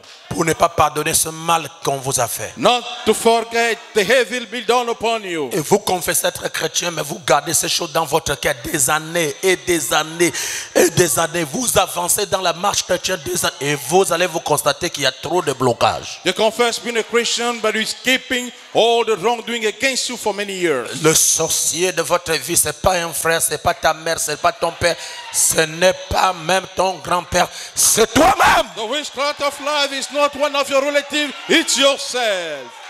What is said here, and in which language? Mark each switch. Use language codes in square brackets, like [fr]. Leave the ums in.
[fr] Vous ne pas pardonner ce mal qu'on vous a fait. Et vous confessez être chrétien, mais vous gardez ces choses dans votre cœur des années et des années et des années. Vous avancez dans la marche chrétienne des années et vous allez vous constater qu'il y a trop de blocages. [en] Christian, but All the wrongdoing against you for many years. [fr] Le sorcier de votre vie, c'est pas un frère, c'est pas ta mère, c'est pas ton père, ce n'est pas même ton grand-père, c'est toi-même. [en] The witchcraft of life is not one of your relatives, it's yourself.